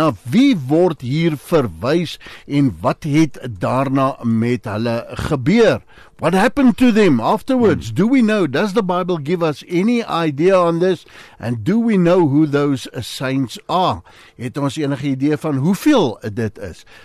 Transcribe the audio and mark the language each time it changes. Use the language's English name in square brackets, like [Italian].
[Afrikaans] Na wie word hier verwys en wat het daarna met hulle gebeur? [English] What happened to them afterwards? Do we know? Does the Bible give us any idea on this? And do we know who those saints are? [Afrikaans] Het ons enige idee van hoeveel dit is?